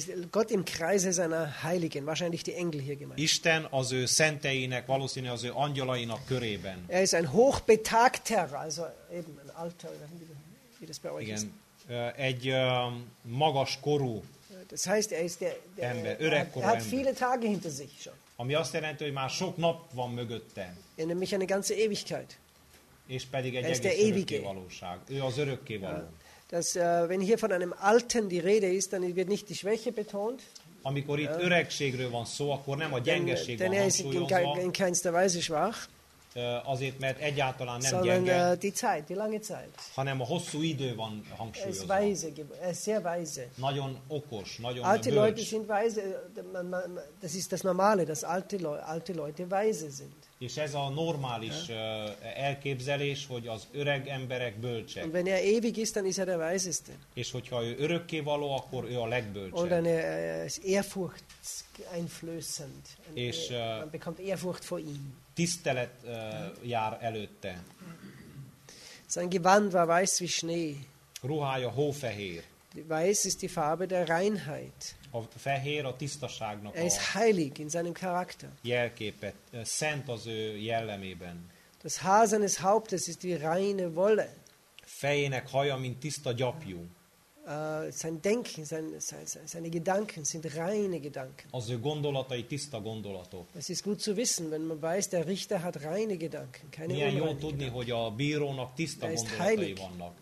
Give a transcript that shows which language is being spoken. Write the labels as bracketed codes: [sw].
[de] Gott im Kreise seiner Heiligen, wahrscheinlich die Engel hier gemeint. [hu] Isten az ő szenteinek, valószínűleg az ő angyalainak körében. [de] Er ist ein hochbetagter, also eben ein alter, wie das bei euch [hu] igen. [de] Ist. [hu] Egy magas korú. [de] Das heißt, er ist der [hu] ember, öregkorú ember. [de] Er hat viele Tage hinter sich schon. [hu] Ami azt jelenti, hogy már sok nap van mögötte. [de] Er nimmt mich eine ganze Ewigkeit. [hu] És pedig egy egész örökké valóság. Ő az örökké való. [de] Das wenn hier von einem alten die Rede ist, dann wird nicht die Schwäche betont. [hu] Amikor itt öregségről van szó, akkor nem a gyengeség van hangsúlyozva. [de] Denn er ist in keinster Weise schwach. [hu] Azért, mert egyáltalán nem [de] sondern, [hu] gyenge, [de] die Zeit, die lange Zeit. [hu] Hanem a hosszú idő van hangsúlyozva. [de] Es weise, es sehr weise. [hu] Nagyon okos, nagyon bölcs. [de] Alte Leute sind weise, das ist das Normale, dass alte Leute weise sind. [hu] És ez a normális elképzelés, hogy az öreg emberek bölcsek. [de] Und wenn er ewig ist, dann ist er der Weiseste. [hu] És hogyha ő örökké való, akkor ő a legbölcsebb. [de] Und dann ist Ehrfurcht einflößend. [hu] És [de] man bekommt Ehrfurcht vor ihm. [hu] Tisztelet jár előtte. [de] Sein Gewand war weiß wie Schnee. [hu] Ruhája hófehér. [de] Weiß ist die Farbe der Reinheit. [hu] A fehér a tisztaságnak [de] er ist heilig in seinem Charakter. [hu] Jelképe, szent az ő jellemében. [de] Das Haar seines Hauptes ist wie reine Wolle. [hu] Fejének haja, mint tiszta gyapjú. [de] Sein Denken, seine Gedanken sind reine Gedanken. [hu] Az ő gondolatai tiszta gondolatok. [de] Es ist gut zu wissen, wenn man weiß, der Richter hat reine Gedanken, keine unreine Gedanken. [hu] Milyen jó tudni, hogy a bírónak tiszta gondolatai vannak.